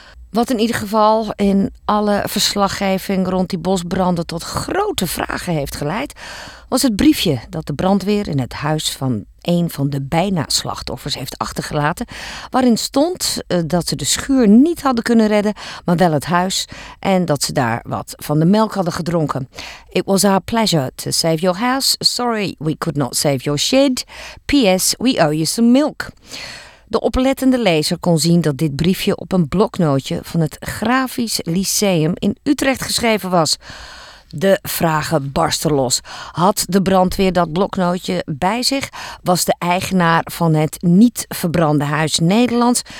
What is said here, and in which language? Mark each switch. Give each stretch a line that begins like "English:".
Dutch: Wat in ieder geval in alle verslaggeving rond die bosbranden tot grote vragen heeft geleid, was het briefje dat de brandweer in het huis van een van de bijna-slachtoffers heeft achtergelaten, waarin stond dat ze de schuur niet hadden kunnen redden, maar wel het huis, en dat ze daar wat van de melk hadden gedronken.
English: It was our pleasure to save your house. Sorry we could not save your shed. P.S. We owe you some milk.
Dutch: De oplettende lezer kon zien dat dit briefje op een bloknootje van het Grafisch Lyceum in Utrecht geschreven was. De vragen barsten los. Had de brandweer dat bloknootje bij zich? Was de eigenaar van het niet verbrande huis Nederlands?